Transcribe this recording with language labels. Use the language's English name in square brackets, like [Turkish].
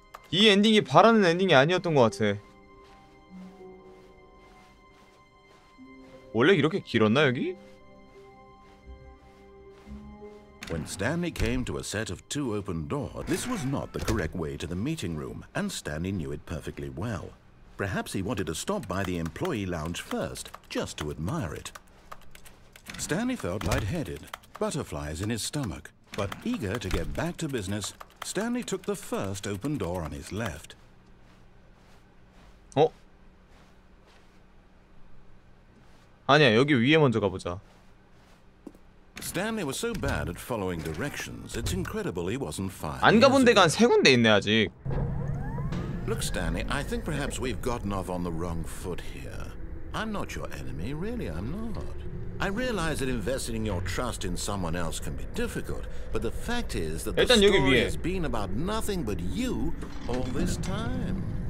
[Korean] 이 엔딩이 바라는 엔딩이 아니었던 것 같아. 원래 이렇게 길었나 여기? [English] When Stanley came to a set of two open doors, this was not the correct way to the meeting room, and Stanley knew it perfectly well. Perhaps he wanted to stop by the employee lounge first, just to admire it. Stanley felt lightheaded, butterflies in his stomach, but eager to get back to business, Stanley took the first open door on his left. Oh. [Korean] 아니야, 여기 위에 먼저 가보자. [English] Stanley was so bad at following directions, it's incredible he wasn't fired. [Korean] 안 가본 데가 한 세 군데 있네 아직. [English] Look, Stanley, I think perhaps we've gotten off on the wrong foot here. I'm not your enemy, really, I'm not. I realize that investing your trust in someone else can be difficult, but the fact is that the story has been about nothing but you all this time.